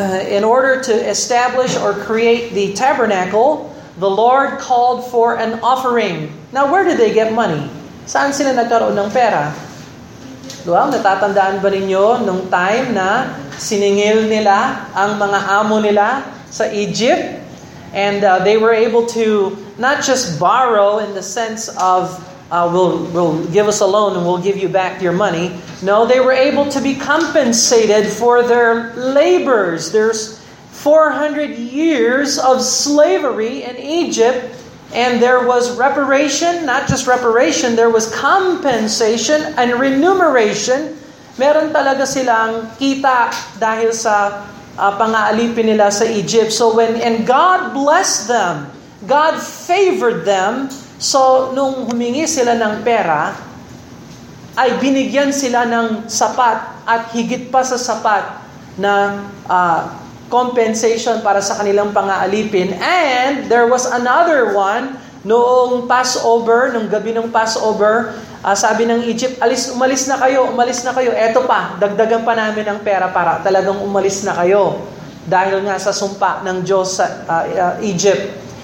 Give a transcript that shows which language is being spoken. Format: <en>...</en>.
<en>In order to establish or create the tabernacle, the Lord called for an offering. Now, where did they get money?</en> <tl>Saan sila nagkaroon ng pera? Well, natatandaan ba ninyo nung time na siningil nila ang mga amo nila sa Egypt?</tl> <en>And they were able to not just borrow in the sense of we'll give us a loan and we'll give you back your money. No, they were able to be compensated for their labors. There's 400 years of slavery in Egypt, and there was reparation, not just reparation, there was compensation and remuneration.</en> <tl>Meron talaga silang kita dahil sa pang-aalipin nila sa Egypt.</tl> <en>So when, and God blessed them, God favored them.</en> <tl>So nung humingi sila ng pera, ay binigyan sila ng sapat at higit pa sa sapat na compensation para sa kanilang pang-aalipin. And there was another one noong Passover, noong gabi ng Passover, sabi ng Egypt, umalis na kayo, eto pa, dagdagan pa namin ng pera para talagang umalis na kayo dahil nga sa sumpa ng Diyos sa Egypt.</tl>